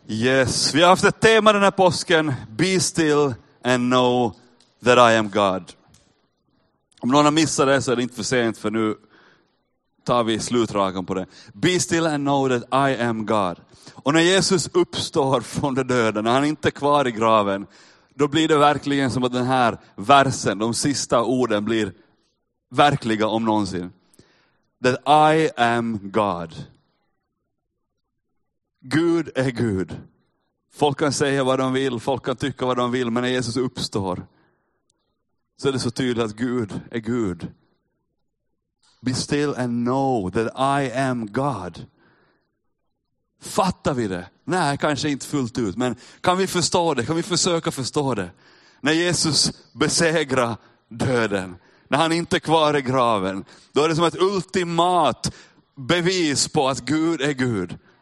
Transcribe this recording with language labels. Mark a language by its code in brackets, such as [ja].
[sv] Yes, vi har haft ett tema den här påsken. [en] Be still and know that I am God. [sv] Om någon har missat det så är det inte för sent, för nu tar vi slutragen på det. [en] Be still and know that I am God. [sv] Och när Jesus uppstår från de döda, när han inte är kvar i graven, då blir det verkligen som att den här versen, de sista orden, blir verkliga om någonsin. [en] That I am God. [sv] Gud är Gud. Folk kan säga vad de vill, folk kan tycka vad de vill, men när Jesus uppstår så är det så tydligt att Gud är Gud. [en] Be still and know that I am God. [sv] Fattar vi det? Nej, kanske inte fullt ut, men kan vi förstå det? Kan vi försöka förstå det? När Jesus besegrar döden, när han inte är kvar i graven, då är det som ett ultimat bevis på att Gud är Gud.